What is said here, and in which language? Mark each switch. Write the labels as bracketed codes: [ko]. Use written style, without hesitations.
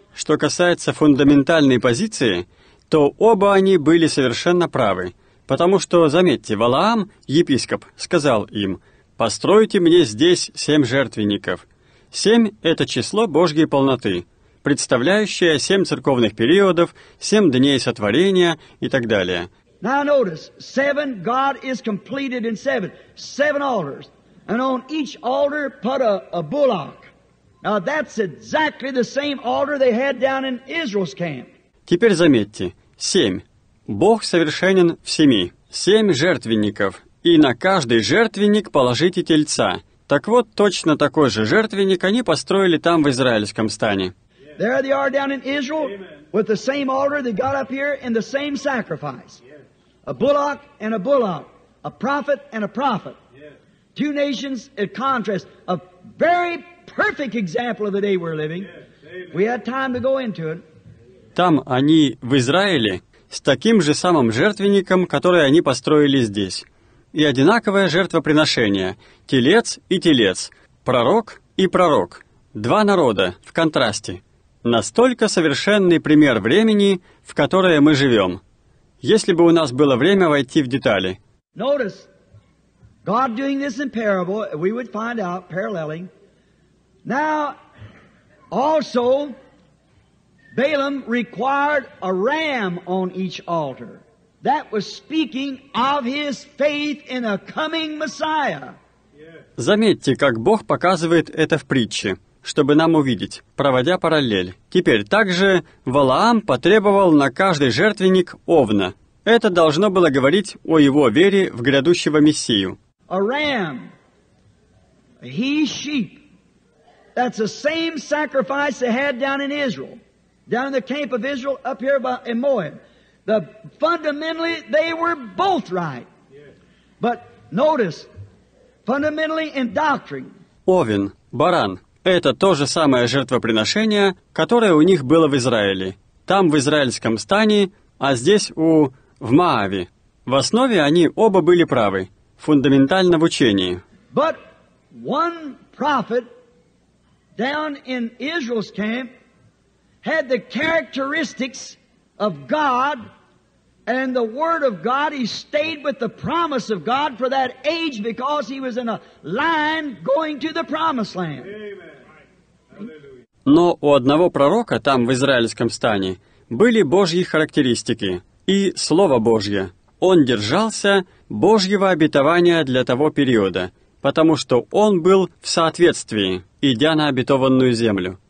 [ru] Что касается фундаментальной позиции, то оба они были совершенно правы. Потому что, заметьте, Валаам, епископ, сказал им, «Постройте мне здесь семь жертвенников». Семь — это число Божьей полноты, представляющее семь церковных периодов, семь дней сотворения и так далее. [en] Now notice, seven, God is completed in seven. Seven altars. And on each altar put a bullock. Now that's exactly the same altar they had down in Israel's camp. [ru] Теперь заметьте, семь. Бог совершенен в семи. Семь жертвенников. И на каждый жертвенник положите тельца. Так вот, точно такой же жертвенник они построили там, в израильском стане. [en] There they are down in Israel, with the same altar they got up here in the same sacrifice. A bullock and a bullock. A prophet and a prophet. Two nations in contrast. A very perfect example of the day we're living. We had time to go into it. [ru] Там они в Израиле с таким же самым жертвенником, который они построили здесь. И одинаковое жертвоприношение. Телец и телец. Пророк и пророк. Два народа в контрасте. Настолько совершенный пример времени, в которое мы живем. Если бы у нас было время войти в детали. [en] Notice, God doing this in parable, we would find out, paralleling. Now, also, Balaam required a ram on each altar. That was speaking of his faith in a coming Messiah. [ru] Заметьте, как Бог показывает это в притче, чтобы нам увидеть, проводя параллель. Теперь также Валаам потребовал на каждый жертвенник овна. Это должно было говорить о его вере в грядущего Мессию. [en] A ram. He's sheep. That's the same sacrifice they had down in Israel, down in the camp of Israel, up here by Moab. The fundamentally they were both right. But notice, fundamentally in doctrine. [ru] Овен, баран, это то же самое жертвоприношение, которое у них было в Израиле. Там в израильском стане, а здесь у в Мааве. В основе они оба были правы, фундаментально в учении. [en] But one prophet down in Israel's camp had the characteristics of God and the Word of God. He stayed with the promise of God for that age because he was in a line going to the promised land. [ru] Но у одного пророка там в израильском стане были Божьи характеристики и Слово Божье. Он держался Божьего обетования для того периода, потому что он был в соответствии, идя на обетованную землю.